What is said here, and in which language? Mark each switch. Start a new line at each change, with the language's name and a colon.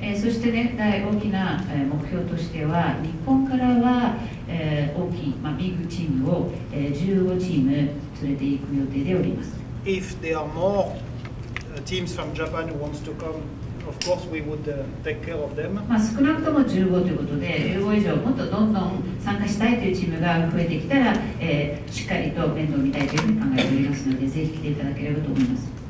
Japanese: そしてね、大きな目標としては、日本からは大きい、まあ、ビッグチームを15チーム連れていく予定でおります。
English: If there are more teams from Japan who wants to come, of course we would take care of them.
Japanese: まあ少なくとも15ということで、15以上もっとどんどん参加したいというチームが増えてきたら、しっかりと面倒を見たいというふうに考えておりますので、ぜひ来ていただければと思います。